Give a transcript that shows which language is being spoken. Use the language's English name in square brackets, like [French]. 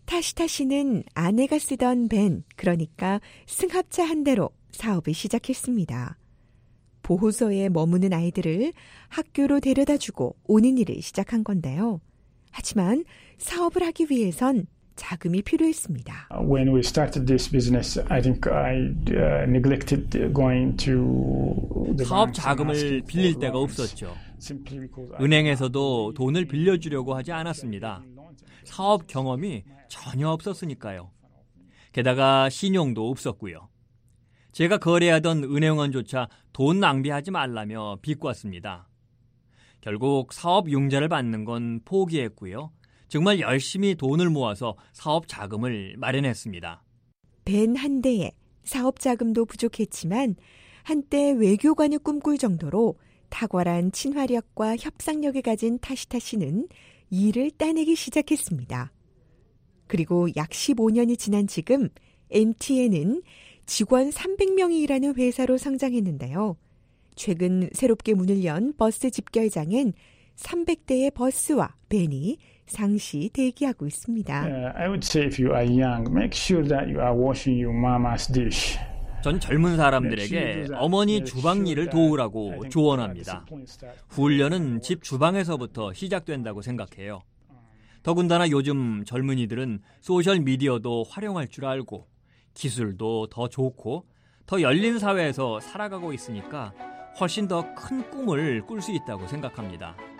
[Korean] 타시타 씨는 아내가 쓰던 밴, 그러니까 승합차 한 대로 사업을 시작했습니다. 보호소에 머무는 아이들을 학교로 데려다주고 오는 일을 시작한 건데요. 하지만 사업을 하기 위해선 자금이 필요했습니다. [English] When we started this business, I think I neglected going to the [Korean] 사업 자금을 빌릴 데가 없었죠. 은행에서도 돈을 빌려주려고 하지 않았습니다. 사업 경험이 전혀 없었으니까요. 게다가 신용도 없었고요. 제가 거래하던 은행원조차 돈 낭비하지 말라며 비꼬았습니다. 결국 사업 융자를 받는 건 포기했고요. 정말 열심히 돈을 모아서 사업 자금을 마련했습니다. 벤 한 대에 사업 자금도 부족했지만 한때 외교관을 꿈꿀 정도로 탁월한 친화력과 협상력을 가진 타시타 씨는 일을 따내기 시작했습니다. 그리고 약 15년이 지난 지금 MTN은 직원 300명이 일하는 회사로 성장했는데요. 최근 새롭게 문을 연 버스 집결장엔 300대의 버스와 벤이 상시 대기하고 있습니다. [English] I would say if you are young, make sure that you are washing your mama's dish. [Korean] 전 젊은 사람들에게 어머니 주방 일을 도우라고 조언합니다. 훈련은 집 주방에서부터 시작된다고 생각해요. 더군다나 요즘 젊은이들은 소셜미디어도 활용할 줄 알고 기술도 더 좋고 더 열린 사회에서 살아가고 있으니까 훨씬 더 큰 꿈을 꿀 수 있다고 생각합니다.